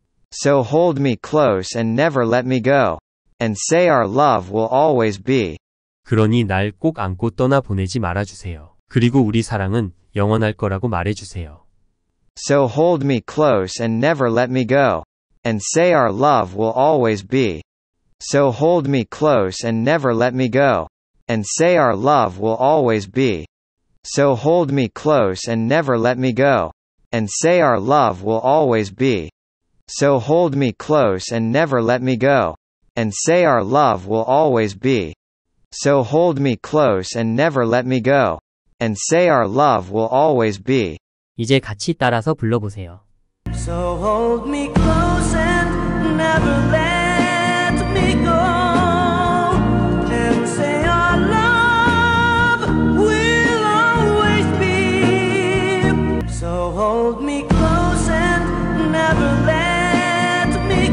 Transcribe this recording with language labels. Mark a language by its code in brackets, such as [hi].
[en] So hold me close and never let me go. And say our love will always be. [ko] 그러니 날 꼭 안고 떠나 보내지 말아 주세요. 그리고 우리 사랑은 영원할 거라고 말해 주세요. [en] So hold me close and never let me go. And say our love will always be. So hold me close and never let me go. And say our love will always be. So hold me close and never let me go. And say our love will always be. So hold me close and never let me go. And say our love will always be. So hold me close and never let me go. And say our love will always be. [ko] 이제 같이 따라서 불러보세요. [en] So hold me close and never let me go. And say our love will always be. So hold me close and never let me go.